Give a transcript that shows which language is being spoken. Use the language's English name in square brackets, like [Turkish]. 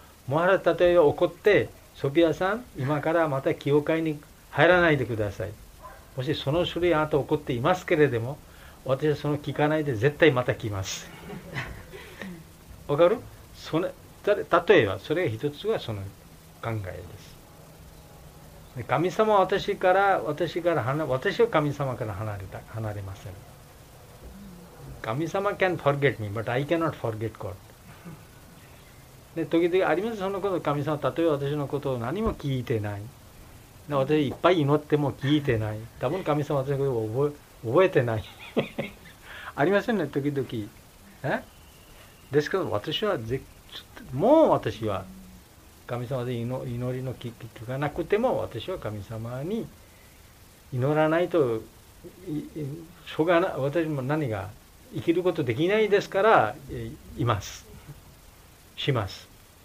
[Japanese] モハラ例えば怒って、ソフィアさん今からまた教会に入らないでください、もしその種類あなた怒っていますけれども、私はその聞かないで絶対また来ます、わかる。その例えばそれが一つはその考えです。神様は私は神様から離れません。 [English] 神様 can forget me, but I cannot forget God. [Japanese] で時々ありますそのこと、神様は例えば私のことを何も聞いてない。で私いっぱい祈っても聞いてない。多分神様は私のことを覚えてない。ありませんね、時々。え？ですけど私はもう私は神様で祈りの聞きがなくても、私は神様に祈らないとしょうがない、私も何が生きることできないですから、います、します。